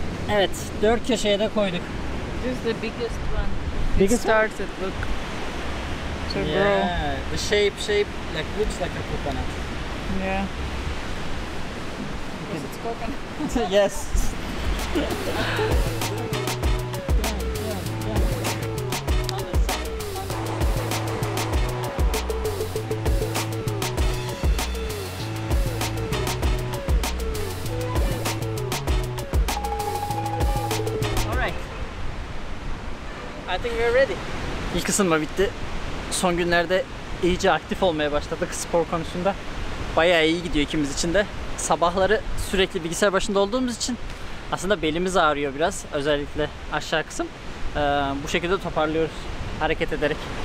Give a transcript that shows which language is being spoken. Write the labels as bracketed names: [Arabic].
[Turkish] Evet, dört köşeye de koyduk. [English] This is the biggest one. Biggest starts it look. So yeah, grow. The shape like looks like a coconut. Yeah. Because it's Yes. All right. I think we're ready. [Turkish] İlk ısınma bitti. Son günlerde iyice aktif olmaya başladık spor konusunda. Bayağı iyi gidiyor ikimiz için de. Sabahları sürekli bilgisayar başında olduğumuz için aslında belimiz ağrıyor biraz. Özellikle aşağı kısım. Bu şekilde toparlıyoruz. Hareket ederek.